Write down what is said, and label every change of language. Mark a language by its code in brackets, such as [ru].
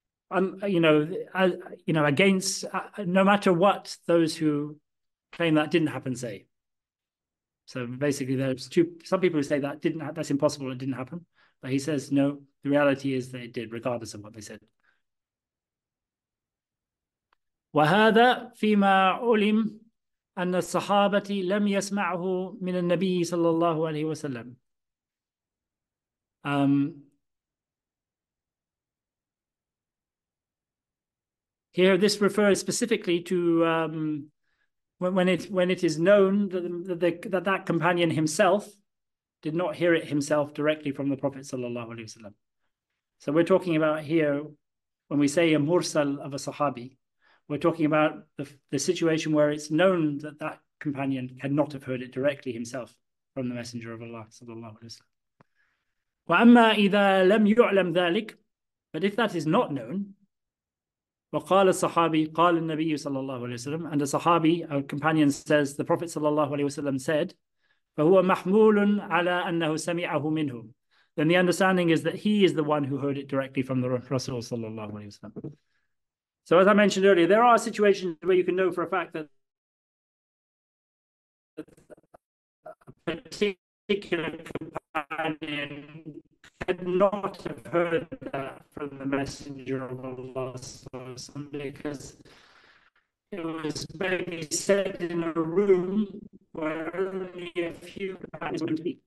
[en] against no matter what those who claim that didn't happen say. So basically, there's two. Some people who say that didn't that's impossible, it didn't happen. But he says no. The reality is they did, regardless of what they said. [ar] وهذا فيما علم أن الصحابة لم يسمعه من النبي صلى الله عليه وسلم. [en] Here, this refers specifically to when it is known that companion himself did not hear it himself directly from the Prophet sallallahu alaihi wasallam. So we're talking about here when we say a mursal of a sahabi, we're talking about the situation where it's known that that companion cannot have heard it directly himself from the Messenger of Allah sallallahu alaihi wasallam. [ar] وأما إذا لم يعلم ذلك, [en] but if that is not known. [ar] وقال الصحابي قال النبي صلى الله عليه وسلم, [en] and a Sahabi, a companion, says the Prophet [ar] صلى الله عليه وسلم said, فهو محمول على أنه سمعه منه. [en] Then the understanding is that he is the one who heard it directly from the Rasul صلى الله عليه وسلم. So as I mentioned earlier, there are situations where you can know for a fact that a particular companion could not have heard that from the Messenger of Allah, because it was maybe said in a room where only a few companions were to be.